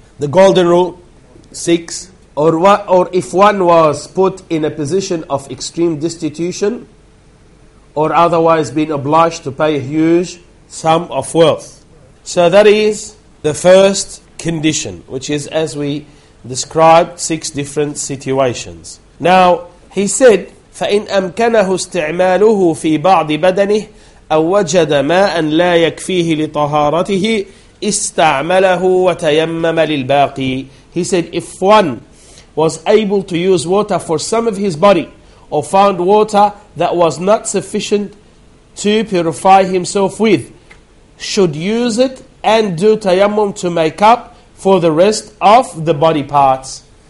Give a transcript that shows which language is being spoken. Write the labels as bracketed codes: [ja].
[en] The golden rule, 6. Or if one was put in a position of extreme destitution or otherwise been obliged to pay a huge sum of wealth. So that is the first condition, which is as we described 6 different situations. Now, he said, [ar] فَإِنْ أَمْكَنَهُ اسْتِعْمَالُهُ فِي بَعْضِ بَدَنِهِ أَوْ وَجَدَ مَاءً لَا يَكْفِيهِ لِطَهَارَتِهِ اسْتَعْمَلَهُ وَتَيَمَّمَ لِلْبَاقِي. [en] He said, if one was able to use water for some of his body, or found water that was not sufficient to purify himself with, should use it and do tayammum to make up for the rest of the body parts.